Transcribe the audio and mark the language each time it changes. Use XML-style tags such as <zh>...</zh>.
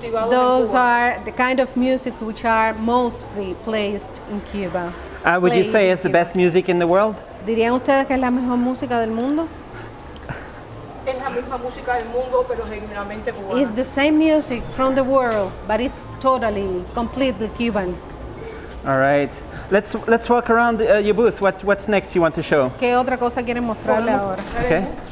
<en>Those are the kind of music which are mostly placed in Cuba. Would you say it's the best music in the world?</en> <es>¿Dirían ustedes que es la mejor música del mundo? Es la misma música del mundo, pero genuinamente cubana.</es> <en>It's the same music from the world, but it's totally, completely Cuban. All right. Let's walk around your booth. What's next you want to show?</en> <es>¿Qué otra cosa quieren mostrarle ahora?</es> <en>Okay.</en>